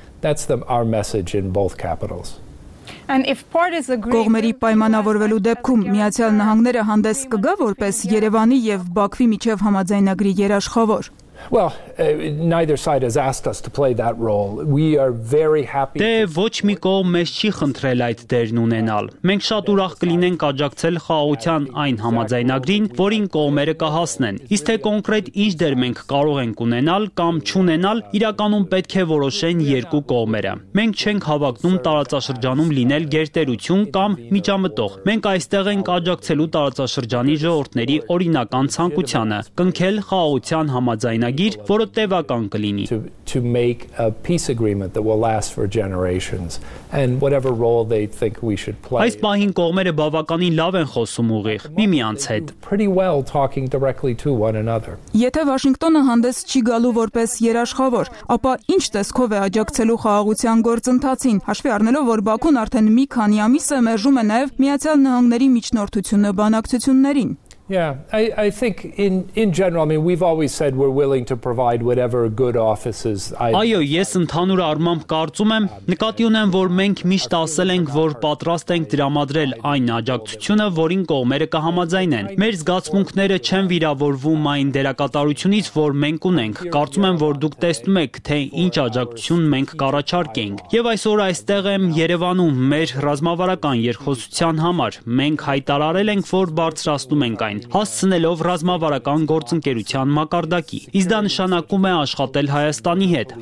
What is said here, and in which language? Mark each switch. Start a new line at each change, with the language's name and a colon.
English: That's the our message in both capitals. And if part is agreed,
Armenian: կողմերի պայմանավորվելու դեպքում Միացյալ Նահանգները հանդես կգա որպես Երևանի եւ Բաքվի միջև համաձայնագրի երաշխավոր։
English: Well, neither side has asked us to play that role. We are very happy to
Armenian: Դե ոչ մի կողմ մեզ չի խնդրել այդ դերն ունենալ։ Մենք շատ ուրախ կլինենք աջակցել խաղաղության այն համաձայնագրին, որին կողմերը կհասնեն։ Իսկ թե կոնկրետ ինչ դեր մենք կարող ենք ունենալ կամ չունենալ, իրականում պետք է որոշեն երկու կողմերը։ Մենք չենք հավակնում տարածաշրջանում լինել գերտերություն կամ միջամտող։ Մենք այստեղ ենք աջակցելու տարածաշրջանի ժողովրդների օրինական ցանկությանը՝ կնքել խաղաղության համաձայնագիրը, որը տևական կլինի։
English: To make a peace agreement that will last for generations and whatever role they think we should play.
Armenian: Այս պահին կողմերը բավականին լավ են խոսում ուղիղ միմյանց հետ.
English: Pretty well talking directly to one another.
Armenian: Եթե Վաշինգտոնը հանդես չի գալու որպես երաշխավոր, ապա ինչ տեսքով է աջակցելու խաղաղության գործընթացին, հաշվի առնելով, որ Բաքուն արդեն մի քանի ամիս է մերժում է նաև Միացյալ Նահանգների միջնորդությունը բանակցություններին։
English: Yeah, I think in general, I mean, we've always said we're willing to provide whatever good offices I
Armenian: Այո, ես ընդհանուր առմամբ կարծում եմ, նկատի ունեմ, որ մենք միշտ ասել ենք, որ պատրաստ ենք դրամադրել այն աջակցությունը, որին կողմերը կհամաձայնեն։ Մեր զգացմունքները չեն վիրավորվում այն դերակատարությունից, որ մենք ունենք։ Կարծում եմ, որ դուք տեսնում եք, թե ինչ աջակցություն մենք կառաջարկենք։ Եվ այսօր այստեղ եմ Երևանում մեր ռազմավարական երկխոսության համար։ Մենք հայտարարել ենք, որ բարձրացնում ենք հասցնելով ռազմավարական գործընկերության մակարդակի։ Իսկ դա նշանակում է աշխատել Հայաստանի հետ,